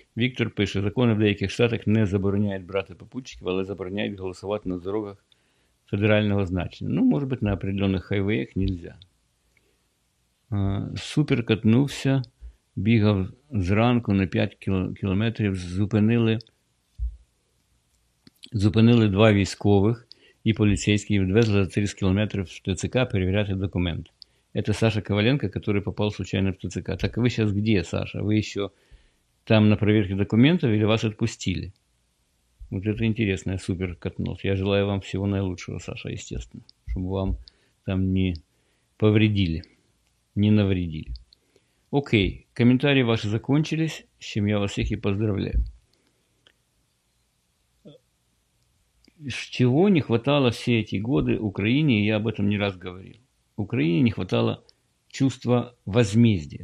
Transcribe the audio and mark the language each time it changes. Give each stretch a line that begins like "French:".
Russian: Виктор пишет: «Законы в
Ukrainian: деяких
Russian: штатах не забороняют брати попутчиков, але забороняют голосовать на дорогах федерального значения». Ну, может быть, на определенных хайвеях нельзя.
Ukrainian: Супер катнувся, бігав зранку на 5 кілометрів, зупинили два військових і поліцейські, відвезли за 30 кілометрів в ТЦК перевіряти документ. Це Саша Коваленко, який попав случайно в ТЦК. Так ви зараз де, Саша? Ви ще там на перевірці документів або вас відпустили? Ось це інтересно, супер катнувся.
Russian: Я желаю вам
Ukrainian: всього найкращого, Саша, звісно, щоб вам там
Russian: не повредили. Не навредили. Окей, комментарии ваши закончились, с чем я вас всех и поздравляю. Чего не хватало все эти годы Украине, и я об этом не раз говорил. Украине не хватало чувства возмездия.